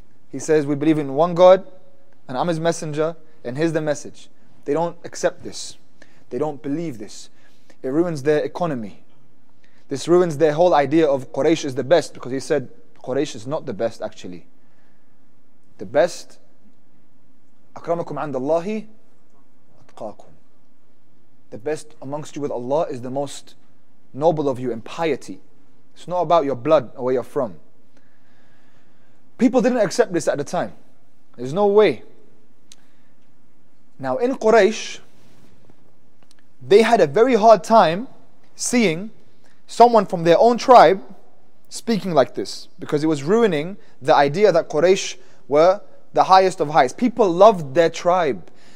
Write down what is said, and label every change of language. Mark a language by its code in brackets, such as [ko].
[en] He says, we believe in one God, and I'm His messenger, and here's the message. They don't accept this. They don't believe this. It ruins their economy. This ruins their whole idea of Quraysh is the best, because he said, Quraysh is not the best, actually. The best, [ar] أَكْرَمَكُمْ عَنْدَ اللَّهِ أَتْقَاكُمْ. [en] The best amongst you with Allah is the most noble of you in piety. It's not about your blood or where you're from. People didn't accept this at the time. There's no way. Now in Quraysh, they had a very hard time seeing someone from their own tribe speaking like this, because it was ruining the idea that Quraysh were the highest of highs. People loved their tribe.